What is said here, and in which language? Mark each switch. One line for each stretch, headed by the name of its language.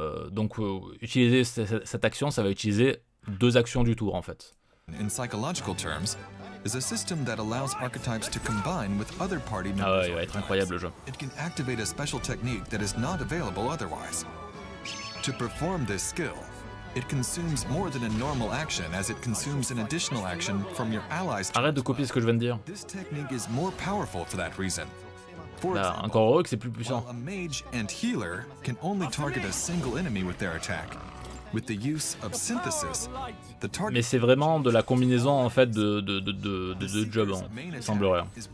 French: Donc, utiliser cette action, ça va utiliser 2 actions du tour, en fait.
English: In psychological terms, is a system that allows archetypes to combine with other party members.
French: Ah ouais, il va être incroyable le jeu.
English: It can activate a special technique that is not available otherwise. To perform this skill, it consumes more than a normal action as it consumes an additional action from your allies.
French: Arrête de copier ce que je viens de dire.
English: This technique is more powerful for that reason.
French: Bah, encore heureux que c'est plus puissant.
English: A mage and healer can only target a single enemy with their attack. With the use of synthesis, the target.
French: Mais c'est vraiment de la combinaison en fait de jobs, hein, semblerait.